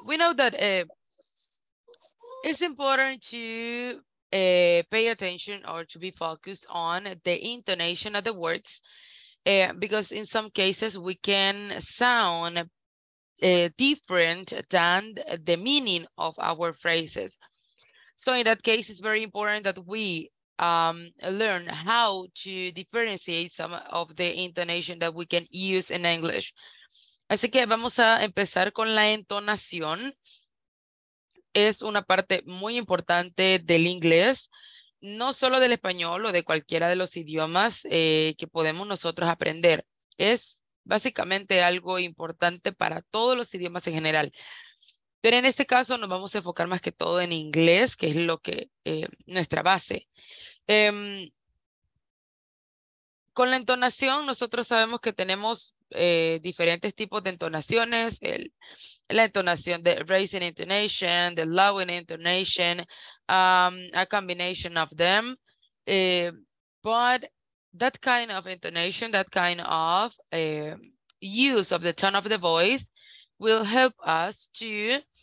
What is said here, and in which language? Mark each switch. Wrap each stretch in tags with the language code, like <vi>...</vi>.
<en>We know that it's important to pay attention or to be focused on the intonation of the words, because in some cases we can sound different than the meaning of our phrases. So in that case, it's very important that we learn how to differentiate some of the intonation that we can use in English.</en> <es>Así que vamos a empezar con la entonación. Es una parte muy importante del inglés, no solo del español o de cualquiera de los idiomas que podemos nosotros aprender. Es básicamente algo importante para todos los idiomas en general. Pero en este caso nos vamos a enfocar más que todo en inglés, que es lo que nuestra base. Con la entonación, nosotros sabemos que tenemos diferentes tipos de entonaciones, la entonación de</es> <en>raising intonation, the lowering intonation, a combination of them, but that kind of intonation, that kind of use of the tone of the voice will help us to</en>